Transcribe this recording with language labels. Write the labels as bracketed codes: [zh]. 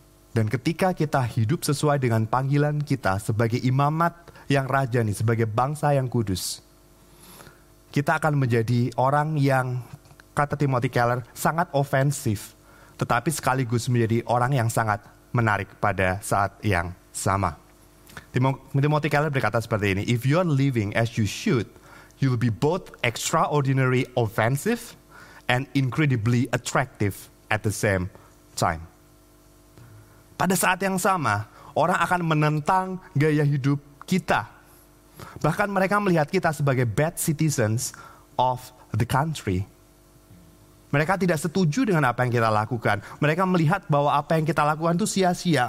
[id] Dan ketika kita hidup sesuai dengan panggilan kita sebagai imamat yang rajani, sebagai bangsa yang kudus, kita akan menjadi orang yang, kata Timothy Keller, sangat ofensif, tetapi sekaligus menjadi orang yang sangat menarik pada saat yang sama. Timothy Keller berkata seperti ini, [en] "If you are living as you should, you'll be both extraordinary offensive and incredibly attractive at the same time." [id] Pada saat yang sama, orang akan menentang gaya hidup kita. Bahkan mereka melihat kita sebagai [en] bad citizens of the country. [id] Mereka tidak setuju dengan apa yang kita lakukan. Mereka melihat bahwa apa yang kita lakukan itu sia-sia.